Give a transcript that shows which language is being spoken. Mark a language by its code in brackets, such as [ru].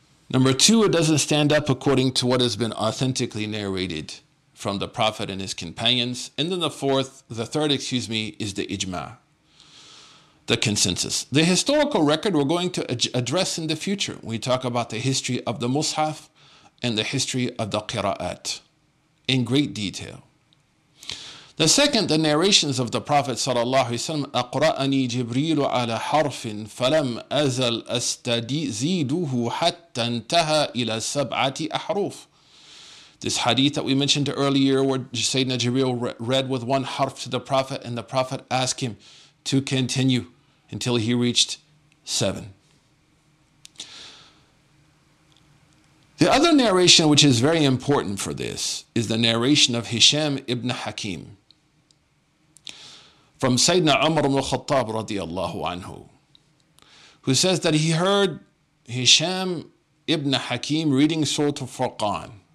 [en] Number two, it doesn't stand up according to what has been authentically narrated from the Prophet and his companions. And then the third, is the ijma, the consensus. The historical record we're going to address in the future. We talk about the history of the Mus'haf and the history of the Qira'at in great detail. The second, the narrations of the Prophet sallallahu alaihi wasallam, [ar] أقرأني جبريل على حرف فلم أزل أستزيده حتى انتهى إلى سبعة أحرف. [en] This hadith that we mentioned earlier, where Sayyidina Jibreel read with one harf to the Prophet, and the Prophet asked him to continue until he reached seven. The other narration, which is very important for this, is the narration of Hisham ibn Hakim from Sayyidina Umar ibn al-Khattab radiallahu anhu, who says that he heard Hisham ibn Hakim reading Surah Al-Furqan.